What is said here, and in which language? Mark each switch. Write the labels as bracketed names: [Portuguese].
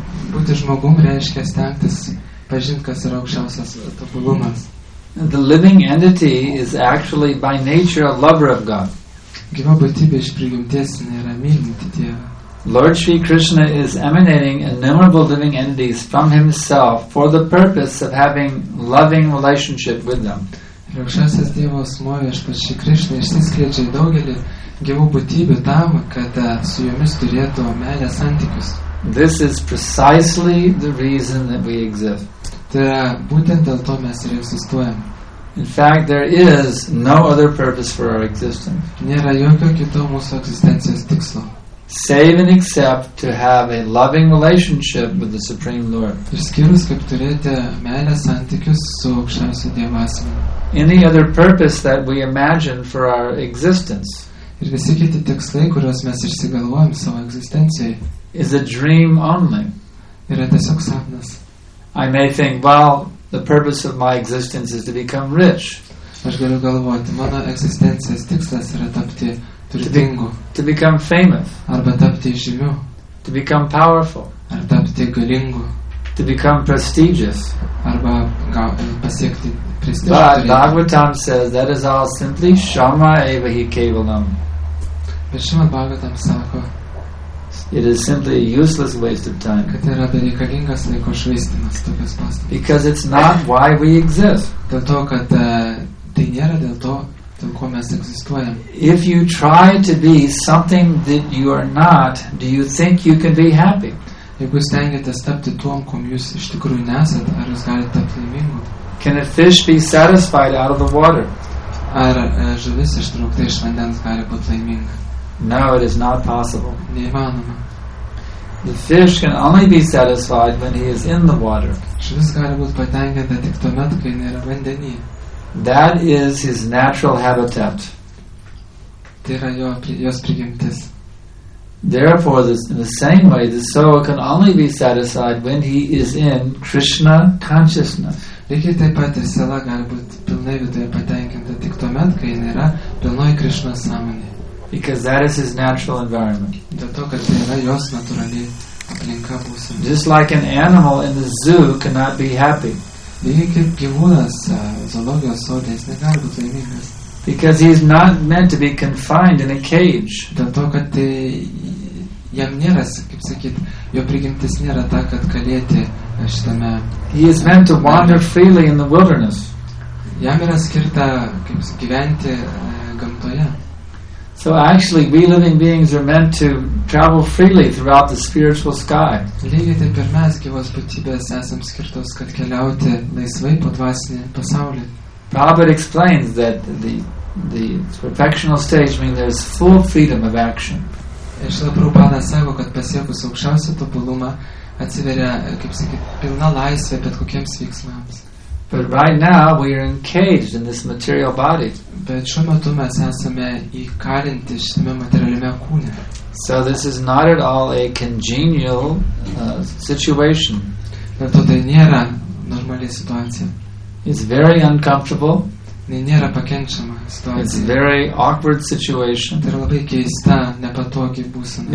[Lithuanian] Būti žmogum reiškia stengtis pažinti, kas yra aukščiausias tobulumas. [English] The living entity is actually by nature a lover of God. [Lithuanian] Gyva būtybė iš prigimties yra mylinti Dievą. [English] Lord Sri Krishna is emanating innumerable living entities from himself for the purpose of having loving relationship with them. [Lithuanian] Ir aukščiausias Dievo asmuo viešpats Sri Krishna išsiskleidžia į daugelį gyvų būtybių tam, kad su jomis turėtų meilės santykius. [English] This is precisely the reason that we exist. [Lithuanian] Tai yra būtent dėl to mes ir egzistuojame. [English] In fact, there is no other purpose for our existence. [Lithuanian] Nėra jokio kito mūsų egzistencijos tikslo. [English] Save and except to have a loving relationship with the Supreme Lord. [Lithuanian] Išskyrus, kaip turėti meilės santykius su aukščiausiu Dievu asmeniu. [English] Any other purpose that we imagine for our existence. [Lithuanian] Ir visi kiti tikslai, kuriuos mes išsigalvojam savo egzistencijai. [English] Is a dream only. [Lithuanian] Yra tiesiog sapnas. [English] I may think, well, the purpose of my existence is to become rich. [Lithuanian] Aš galiu galvoti, mano egzistencijos tikslas yra tapti turtingu. [English] To become famous. [Lithuanian] Arba tapti žymiu. [English] To become powerful. [Lithuanian] Arba tapti galingu. [English] To become prestigious. [Lithuanian] Arba pasiekti prestižą. [English] But Bhagavatam says that is all simply [Sanskrit] shama eva hi kevalam. [Lithuanian] Bet Šrimad Bhagavatam sako, [English] it is simply a useless waste of time. [Lithuanian] Kad yra bereikalingas laiko švaistymas, tokios pastangos. [English] Because it's not why we exist. [Lithuanian] Dėl to, kad tai nėra dėl to, dėl ko mes egzistuojam. [English] If you try to be something that you are not, do you think you can be happy? [Lithuanian] Jeigu jūs stengiatės tapti tuom, kom jūs iš tikrųjų nesat, ar jūs galite tapti laimingu? [English] Can a fish be satisfied out of the water? [Lithuanian] Ar žuvis ištraukta iš vandens gali būti laiminga? [English] No, it is not possible. [Lithuanian] Neįmanoma. [English] The fish can only be satisfied when he is in the water. [Lithuanian] Žuvis gali būti patenkinta tik tuomet, kai nėra vandenyje. [English] That is his natural habitat. [Lithuanian] Tai yra jos prigimtis. [English] Therefore, in the same way, the soul can only be satisfied when he is in Krishna consciousness. [Lithuanian] Lygiai taip pat ir siela gali būti pilnai viduje patenkinta tik tuomet, kai nėra pilnoji Krishna sąmonė. [English] Because that is his natural environment. [Lithuanian] Dėl to, kad yra jos natūrali aplinka būsena. [English] Just like an animal in the zoo cannot be happy. [Lithuanian] Lygiai kaip gyvūnas zoologijos sode, jis negali būti laimingas. [English] Because he's not meant to be confined in a cage. [Lithuanian] Dėl to, kad jam nėra, kaip sakyt, jo prigimtis nėra ta, kad kalėti šitame. [English] He is meant to wander freely in the wilderness. [Lithuanian] Jam yra skirta, kaip gyventi gamtoje. [English] So actually, we living beings are meant to travel freely throughout the spiritual sky. [Lithuanian] Lygiai taip ir mes, gyvos būtybės, esam skirtos, kad keliauti laisvai po dvasinį pasaulį. [English] Prabhupada explains that the perfectional stage means there is full freedom of action. [Lithuanian] Ir šita Prabhupada sako, kad pasiekus aukščiausią tobulumą, atsiveria, kaip sakyt, pilna laisvė bet kokiems veiksmams. [English] But right now we are encaged in this material body. [Lithuanian] Bet šiuo metu mes esame įkalinti šitame materialiame kūne. [English] So this is not at all a congenial situation. [Lithuanian] Bet to tai nėra normali situacija. [English] It's very uncomfortable. [Lithuanian] Nėra pakenčiama situacija. [English] It's a very awkward situation. [Lithuanian] Tai yra labai keista, nepatogi būsena.